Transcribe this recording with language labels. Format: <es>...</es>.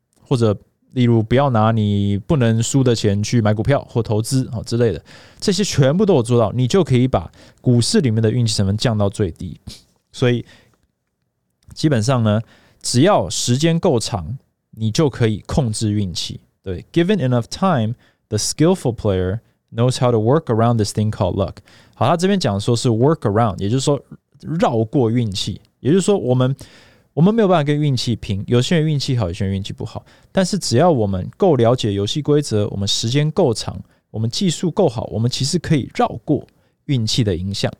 <zh>或者例如不要拿你不能输的钱去买股票或投资之类的，这些全部都有做到，你就可以把股市里面的运气成分降到最低。所以基本上呢，只要时间够长，你就可以控制运气。对，</zh> <en>Given enough time, the skillful player knows how to work around this thing called luck。</en> <zh>好，他这边讲说是 work around， 也就是说绕过运气，也就是说我们没有办法跟运气拼，有些人运气好，有些人运气不好。但是只要我们够了解游戏规则，我们时间够长，我们技术够好，我们其实可以绕过运气的影响。</zh>